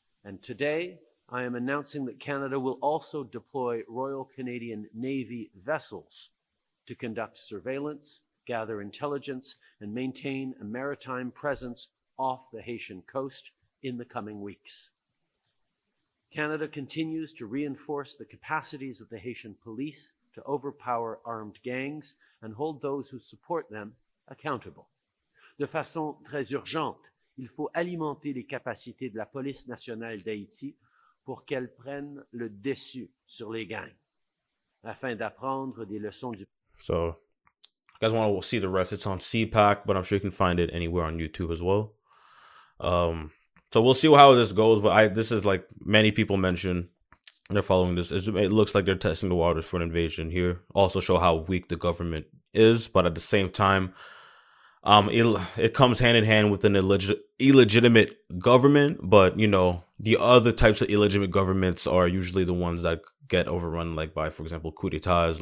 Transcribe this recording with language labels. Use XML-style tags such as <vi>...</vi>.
<en>And today, I am announcing that Canada will also deploy Royal Canadian Navy vessels to conduct surveillance, gather intelligence, and maintain a maritime presence off the Haitian coast in the coming weeks. Canada continues to reinforce the capacities of the Haitian police to to overpower armed gangs and hold those who support them accountable.</en> <fr>De façon très urgente, il faut alimenter les capacités de la police nationale d'Haïti pour qu'elle prenne le dessus sur les gangs, afin d'apprendre des leçons du...</fr> <en>So, if you guys want to see the rest, it's on CPAC, but I'm sure you can find it anywhere on YouTube as well. So we'll see how this goes, but this is like many people mentioned, they're following this. It looks like they're testing the waters for an invasion here. Also show how weak the government is, but at the same time, it comes hand in hand with an illegitimate government, but you know, the other types of illegitimate governments are usually the ones that get overrun, like by, for example, coup d'etats.</en>